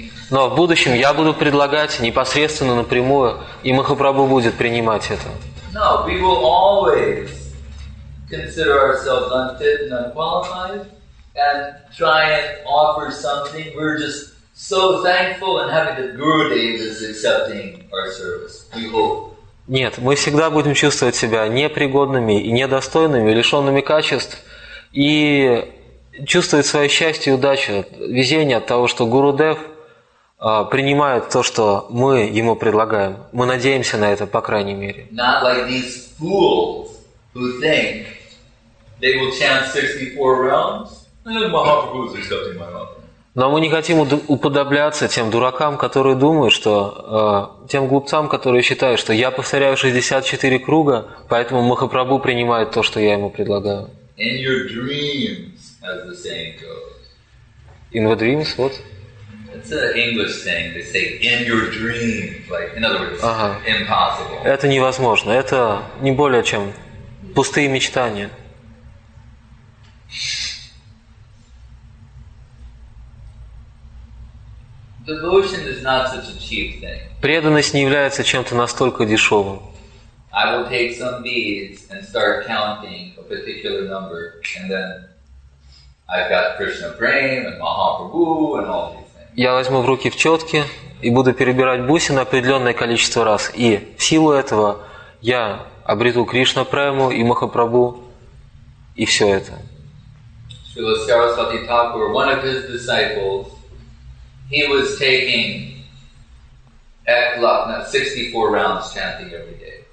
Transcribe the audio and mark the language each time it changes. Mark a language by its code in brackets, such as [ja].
[ru] Но в будущем я буду предлагать непосредственно напрямую, и Махапрабху будет принимать это. [en] No, we will always consider ourselves unfit and unqualified and try and offer something. We're just so thankful and happy that Guru Dev is accepting our service. We hope. [ru] Нет, мы всегда будем чувствовать себя непригодными и недостойными, лишенными качеств, и чувствовать свое счастье и удачу, везение от того, что Гуру Дев принимает то, что мы ему предлагаем. Мы надеемся на это, по крайней мере. [en] Not like these fools who think they will chant 64 realms. Махапрабху is accepting my offer. [ru] Но мы не хотим уподобляться тем дуракам, которые думают, что тем глупцам, которые считают, что я повторяю 64 круга, поэтому Махапрабху принимает то, что я ему предлагаю. [en] In your dreams, as the saying goes. In the dreams, what? It's an English saying. They say in your dreams, like in other words, impossible. [ru] Это невозможно. Это не более чем пустые мечтания. [en] Devotion is not such a cheap thing. [ru] Преданность не является чем-то настолько дешевым. [en] I will take some beads and start counting a particular number, and then I've got Krishna Prem and Mahaprabhu and all these things. [ru] Я возьму в руки вчетки и буду перебирать бусины определенное количество раз, и в силу этого я обрету Кришна Прему и Махапрабху и все это. [en] Srila Saraswati Thakur, one of his disciples, he was taking at Lakna 64 rounds chanting every day.